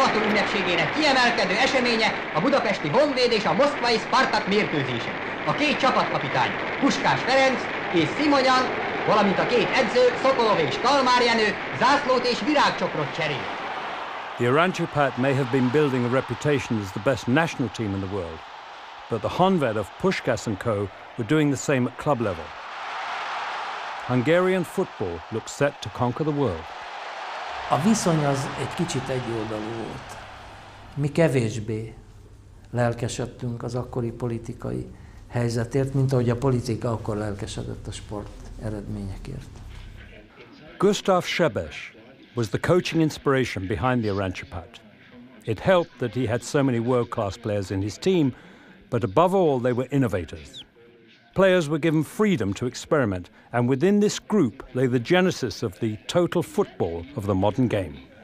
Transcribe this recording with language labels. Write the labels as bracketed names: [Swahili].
[Hungarian] Ünnepségének kiemelkedő eseménye a budapesti Honvéd és a moszkvai Spartak mérkőzése. A két csapatkapitány, Puskás Ferenc és Szimonyan, valamint a két edző, Szokolov és Kalmár Jenő, zászlót és virágcsokrot cserélt. [English] The Aranyapát may have been building a reputation as the best national team in the world, but the Honved of Puskás and co. were doing the same at club level. Hungarian football looked set to conquer the world. [Hungarian] A viszony az egy kicsit egyoldalú volt. Mi kevésbé lelkesedtünk az akkori politikai helyzetért, mint ahogy a politika akkor lelkesedett a sport eredményekért. [English] Gustav Sebes was the coaching inspiration behind the Aranyapát. It helped that he had so many world-class players in his team, but above all, they were innovators. Players were given freedom to experiment, and within this group lay the genesis of the total football of the modern game.